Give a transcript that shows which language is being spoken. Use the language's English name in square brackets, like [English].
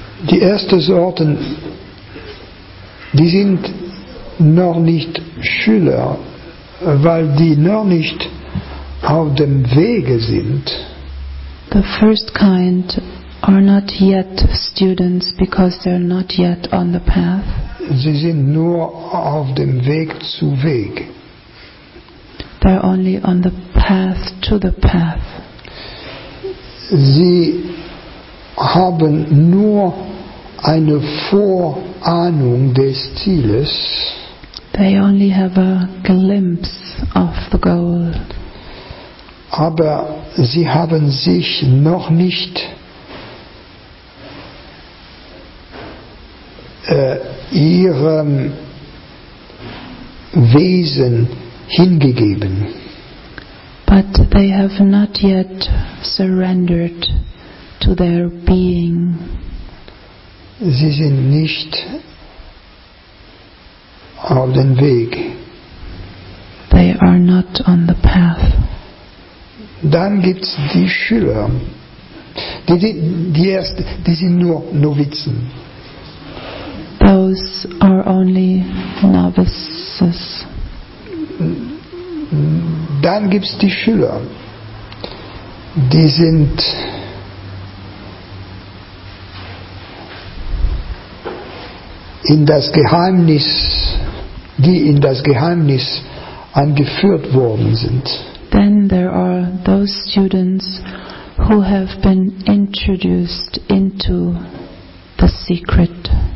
[German] Die erste Sorten, die sind noch nicht Schüler, weil die noch nicht auf dem Wege sind. [English] The first kind are not yet students because they are not yet on the path. [German] Sie sind nur auf dem Weg zu Weg. [English] They are only on the path to the path. [German] Sie haben nur eine Vorahnung des Zieles. [English] They only have a glimpse of the goal. [German] Aber sie haben sich noch nicht ihrem Wesen hingegeben. [English] But they have not yet surrendered to their being. [German] Sie sind nicht auf dem Weg. [English] They are not on the path. [German] Dann gibt's die Schüler. Die sind nur Novizen. [English] Those are only novices. [German] Dann gibt es die Schüler, die sind in das Geheimnis die in das Geheimnis angeführt worden sind. [English] Then there are those students who have been introduced into the secret.